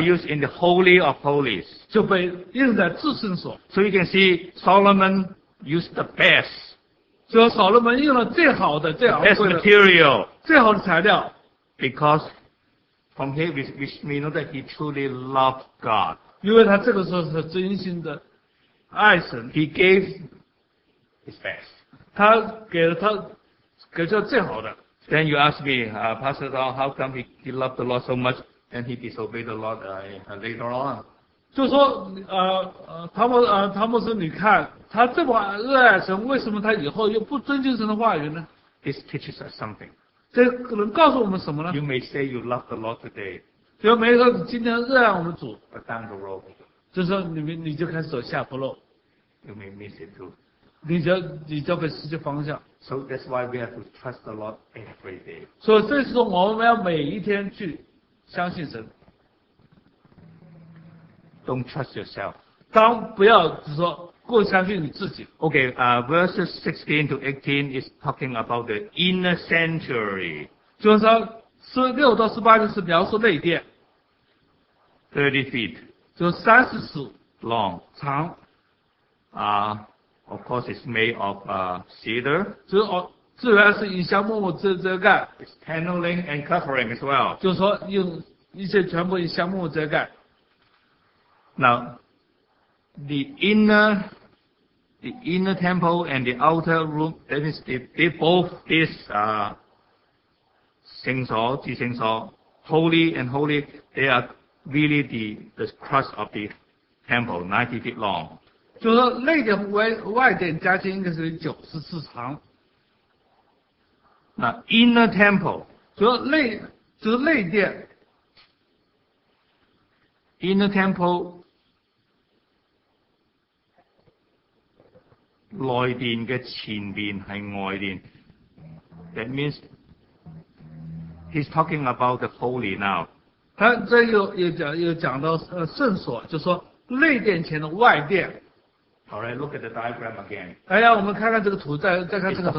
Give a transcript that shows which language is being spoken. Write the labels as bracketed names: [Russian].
[English] They are used in the holy of holies. [Chinese] 就被用在至圣所。 [English] So you can see Solomon used the best. [Chinese] 所以所罗门用了最好的最昂贵的 [English] best material, [Chinese] 最好的材料, [English] because from here we know that he truly loved God. [Chinese] 因为他这个时候是真心的爱神, [English] he gave his best. [Chinese] 他给了最好的。 [English] Then you ask me, Pastor Don, how come he loved the Lord so much? then he disobeyed the Lord later on. [Chinese] 就说，汤姆斯，你看他这么热爱神，为什么他以后又不遵敬神的话语呢？ [English] This teaches us something. [Chinese] 这能告诉我们什么呢？ [English] You may say you love the Lord today. [Chinese] 就没说你今天热爱我们主。 [English] But down the road. [Chinese] 就说你就开始走下坡路。 [English] You may miss it too. [Chinese] 你就会失去方向。 [English] So that's why we have to trust the Lord every day. [Chinese] 所以这时候我们要每一天去相信神。 [English] Don't trust yourself. [Chinese] 当不要说过相信你自己。 [English] Okay, verses 16 to 18 is talking about the inner sanctuary. [Chinese] 就是说，16到18就是描述内殿。 [English] 30 feet. [Chinese] 就30尺 [English] long. [Chinese] 长。 [English] Of course, it's made of cedar. [Chinese] 自然是以香木遮盖。 [English] It's paneling and covering as well. [Chinese] 就是说，用一些全部以香木遮盖。 [English] Now, the inner temple and the outer room, that is, they both this, holy and holy, they are really the crust of the temple, 90 feet long. [Chinese] 就是内殿外殿加起来应该是94尺长。 [English] Now, inner temple. [Chinese] 就是内殿。 [English] Inner temple, [Chinese] 内殿的前面是外殿。 [English] That means he's talking about the holy now. [Chinese] 他这又讲到圣所，就说内殿前的外殿。 [English] Alright, look at the diagram again. [Chinese] 来，我们看看这个图，再看这个图。